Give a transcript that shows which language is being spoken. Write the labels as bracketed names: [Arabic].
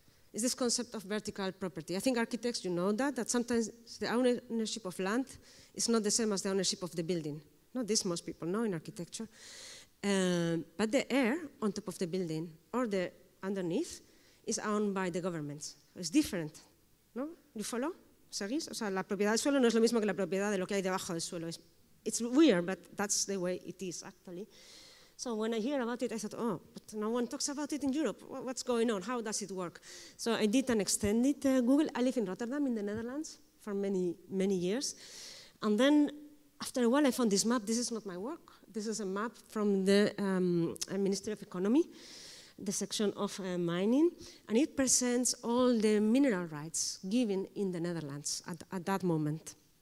[English] It's this concept of vertical property. I think architects, you know that sometimes the ownership of land is not the same as the ownership of the building. Not this most people know in architecture. But the air on top of the building or the underneath is owned by the government. It's different. No? You follow? [Spanish] ¿Seguís? O sea, la propiedad del suelo no es lo mismo que la propiedad de lo que hay debajo del suelo. [English] It's weird, but that's the way it is, actually. So when I hear about it, I thought, oh, but no one talks about it in Europe. What's going on? How does it work? So I did an extended Google. I live in Rotterdam, in the Netherlands, for many, many years. And then after a while, I found this map. This is not my work. This is a map from the Ministry of Economy, the section of mining, and it presents all the mineral rights given in the Netherlands at that moment.